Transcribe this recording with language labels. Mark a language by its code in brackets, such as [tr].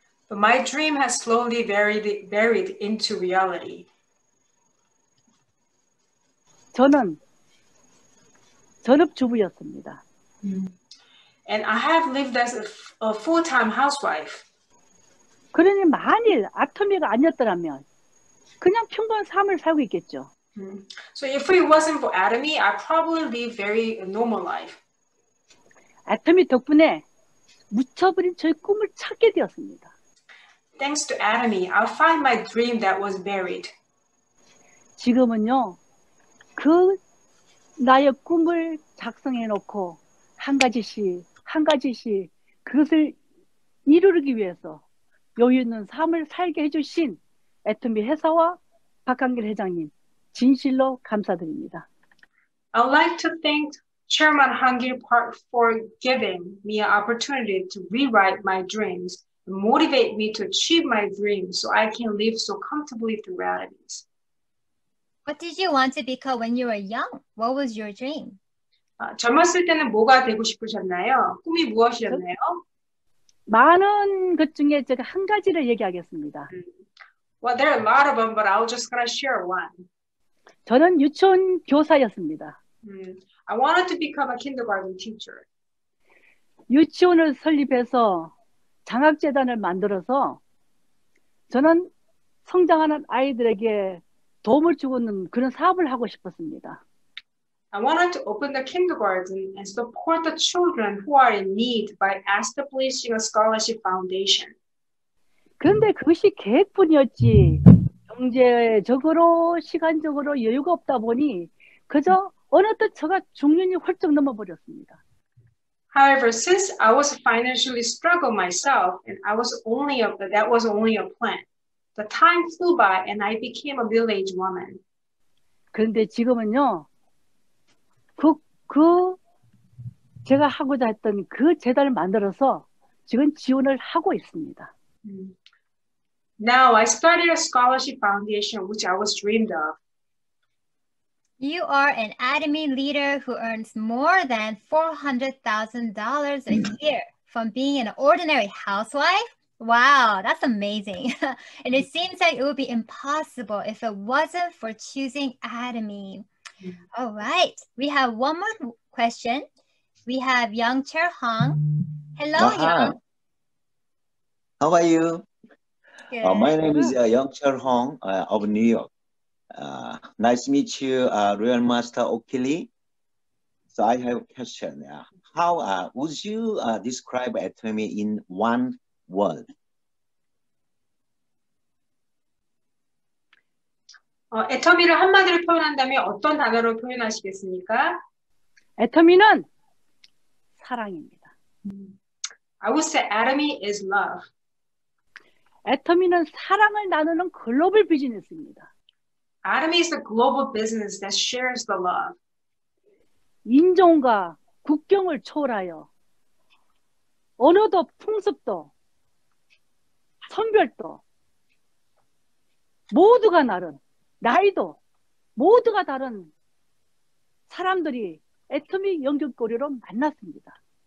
[en] But my dream has slowly buried into reality. [ko] 저는 전업주부였습니다. [en] And I have lived as a full-time housewife. [ko] 그러니 만일 애터미가 아니었더라면 그냥 평범한 삶을 살고 있겠죠. [en] So if it wasn't for Atomy, I probably live very normal life. [ko] 애터미 덕분에 묻혀버린 저의 꿈을 찾게 되었습니다. [en] Thanks to Atomy, I find my dream that was buried. [ko] 지금은요, 그 나의 꿈을 작성해 놓고 한 가지씩 한 가지씩 그것을 이루기 위해서 여유 있는 삶을 살게 해주신 애터미 회사와 박한길 회장님 진실로 감사드립니다. [en] I'd like to thank Chairman Hangil Park for giving me an opportunity to rewrite my dreams and motivate me to achieve my dreams so I can live so comfortably through realities. What did you want to become when you were young? What was your dream? [ko] 젊었을 때는 뭐가 되고 싶으셨나요? 꿈이 무엇이었나요? 많은 것 중에 제가 한 가지를 얘기하겠습니다. [en] Well, there are a lot of them, but I'll just gonna share one. [ko] 저는 유치원 교사였습니다. [en] I wanted to become a kindergarten teacher. [ko] 유치원을 설립해서 장학재단을 만들어서 저는 성장하는 아이들에게 도움을 주는 그런 사업을 하고 싶었습니다. [en] I wanted to open the kindergarten and support the children who are in need by establishing a scholarship foundation. [ko] 그런데 그것이 계획뿐이었지 경제적으로 시간적으로 여유가 없다 보니 그저 어느덧 제가 중년이 훌쩍 넘어버렸습니다. [en] However, since I was financially struggled myself, and I was only a, that was only a plan, the time flew by, and I became a middle-aged woman. [ko] 그런데 지금은요, 그 제가 하고자 했던 그 재단을 만들어서 지금 지원을 하고 있습니다. [en] Now I started a scholarship foundation, which I was dreamed of. You are an ADME leader who earns more than $400,000 a year from being an ordinary housewife? Wow, that's amazing. And it seems like it would be impossible if it wasn't for choosing ADME. All right, we have one more question. We have Young Chul Hong. Hello, Young. How are you? Good. My name is Young Chul Hong of New York. Nice to meet you, Royal Master Okili. So I have a question. How would you describe ADME in one word? [ko] ADME를 한마디로 표현한다면 어떤 단어로 표현하시겠습니까? ADME는 사랑입니다. [en] I would say ADME is love. [ko] ADME는 사랑을 나누는 글로벌 비즈니스입니다. [en] ADME is a global business that shares the love. [ko] 인종과 국경을 초월하여 언어도 풍습도 선별도 모두가 다른 나이도 모두가 다른 사람들이 ADME 연결고리로 만났습니다.